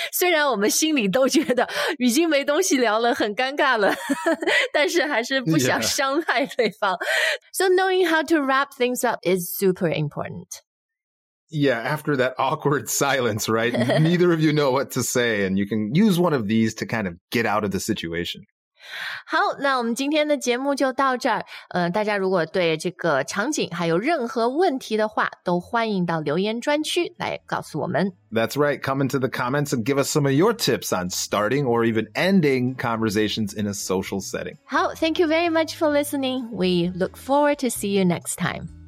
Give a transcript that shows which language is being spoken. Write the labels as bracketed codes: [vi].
[zh] 虽然我们心里都觉得已经没东西聊了很尴尬了但是还是不想伤害对方。 [en] Yeah. So knowing how to wrap things up is super important. Yeah, after that awkward silence, right? Neither of you know what to say, and you can use one of these to kind of get out of the situation. [zh] 好，那我们今天的节目就到这儿。大家如果对这个场景还有任何问题的话，都欢迎到留言专区来告诉我们。 [en] That's right. Come into the comments and give us some of your tips on starting or even ending conversations in a social setting. 好, thank you very much for listening. We look forward to see you next time.